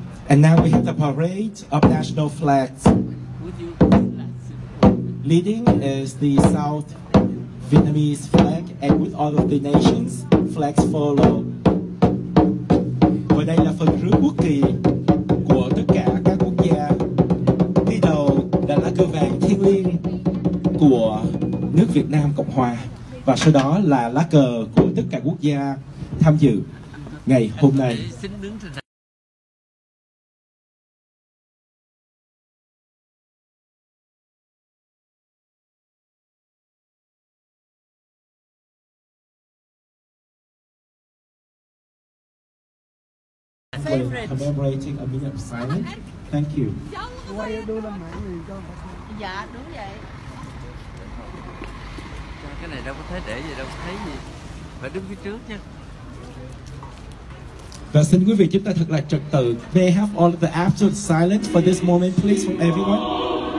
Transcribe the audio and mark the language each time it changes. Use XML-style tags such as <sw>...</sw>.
<en>now we have the parade of national flags. Leading is the South Vietnamese flag, and with all of the nations, flags follow.</en> <vi>Và đây là phần rước quốc kỳ của tất cả các quốc gia. Đi đầu là lá cờ vàng thiêng liêng của nước Việt Nam Cộng Hòa. Và sau đó là lá cờ của tất cả quốc gia tham dự ngày hôm nay.</vi> <en>Commemorating a minute of silence. Thank you.</en> <vi>Dạ đúng vậy. Cái này đâu có thấy để gì đâu có thấy gì. Phải đứng phía trước nha. Và xin quý vị chúng ta thật là trật tự.</vi> <en>May have all of the absolute silence for this moment, please, from everyone.</en>